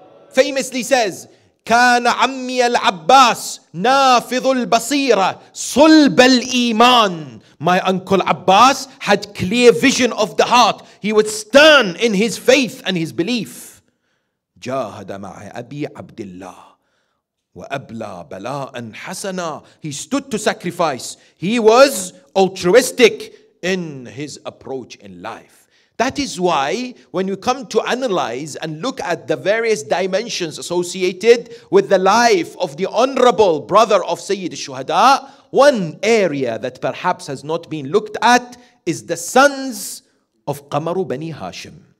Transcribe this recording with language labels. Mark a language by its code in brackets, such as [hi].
[en] Famously says, [ar] كان عمي العباس نافذ البصيرة صلب الإيمان. [en] My uncle Abbas had clear vision of the heart. He was stern in his faith and his belief. [ar] جاهد مع أبي عبد الله وأبلى بلاء حسنا. [en] He stood to sacrifice. He was altruistic in his approach in life. That is why when you come to analyze and look at the various dimensions associated with the life of the honorable brother of Sayyid al-Shuhada, one area that perhaps has not been looked at is the sons of Qamaru Bani Hashim.